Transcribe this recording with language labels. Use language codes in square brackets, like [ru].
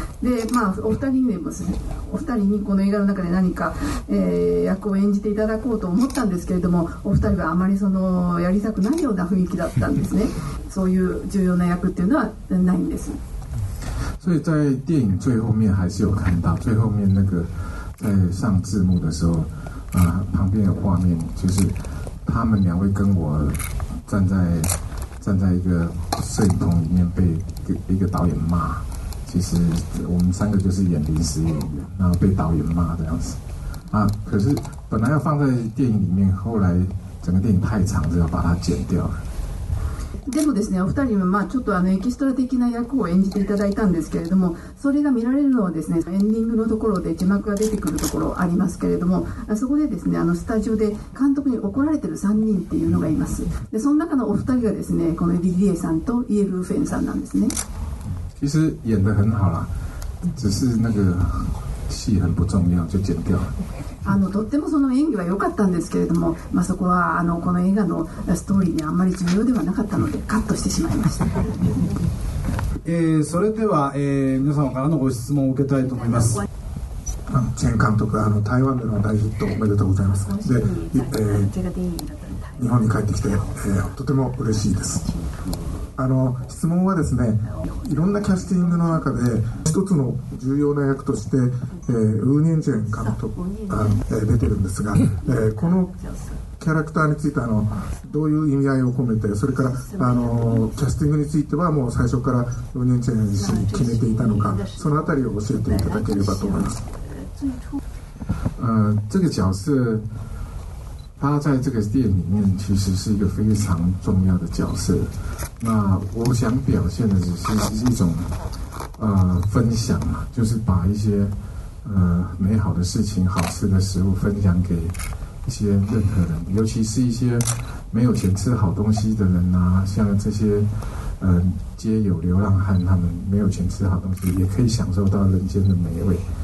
[ja] で、まあお二人にもですね、お二人にこの映画の中で何か、役を演じていただこうと思ったんですけれども、お二人はあまりそのやりたくないような雰囲気だったんですね。そういう重要な役っていうのはないんです。 [zh] 所以在电影最后面还是有看到最后面那个在上字幕的时候旁边的画面就是他们两位跟我站在一个摄影棚里面被一个导演骂，其实我们三个就是演临时演员，然后被导演骂这样子啊。可是本来要放在电影里面，后来整个电影太长，就要把它剪掉了。 [ja] でもですね、お二人はまあちょっとエキストラ的な役を演じていただいたんですけれども、それが見られるのはですね、エンディングのところで字幕が出てくるところありますけれども、そこでですね、スタジオで監督に怒られてる3人っていうのがいます。でその中のお二人がですね、このリリエさんとイエルフェンさんなんですね。 [zh] 其实演得很好啦，只是那个戏很不重要就剪掉了。 [ja] とってもその演技は良かったんですけれども、まあ、そこはこの映画のストーリーにあんまり重要ではなかったのでカットしてしまいました。それでは、皆様からのご質問を受けたいと思います。前監督台湾での大ヒットおめでとうございます。で、日本に帰ってきて、とても嬉しいです。質問はですね、いろんなキャスティングの中で一つの重要な役として、ウーニェンジェン監督が出てるんですが、このキャラクターについてどういう意味合いを込めて、それからキャスティングについてはもう最初からウーニェンジェン氏に決めていたのか、そのあたりを教えていただければと思います。 [zh] 这个角色他在这个电影里面其实是一个非常重要的角色，那我想表现的只是一种分享，就是把一些美好的事情、好吃的食物分享给一些任何人，尤其是一些没有钱吃好东西的人啊，像这些街友、流浪汉，他们没有钱吃好东西也可以享受到人间的美味。